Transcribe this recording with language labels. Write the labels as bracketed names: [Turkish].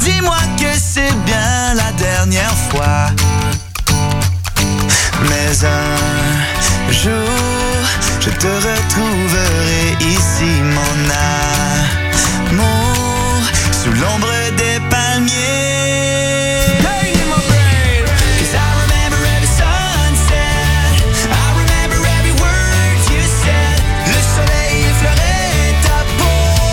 [French] Dis-moi que c'est bien la dernière fois. Mais un jour je te retrouverai ici, mon amour, sous l'ombre des palmiers. [English] Hey, in my brain, 'cause I remember every sunset. I remember every word you said. [French] Le soleil effleurait ta peau.